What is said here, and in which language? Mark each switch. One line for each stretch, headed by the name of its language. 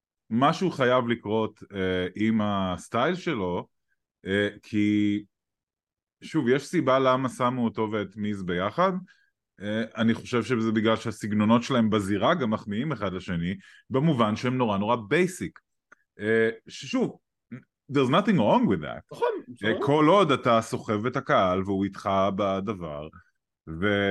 Hebrew: משהו חייב לקרות עם הסטייל שלו, כי שוב, יש סיבה למה שמו אותו ואת מיז ביחד, אני חושב שזה בגלל שהסגנונות שלהם בזירה גם מחמיאים אחד לשני, במובן שהם נורא נורא בייסיק. שוב,
English: there's nothing wrong with that.
Hebrew: נכון, בסדר. כל עוד אתה סוחב את הקהל, והוא איתך בדבר, ו...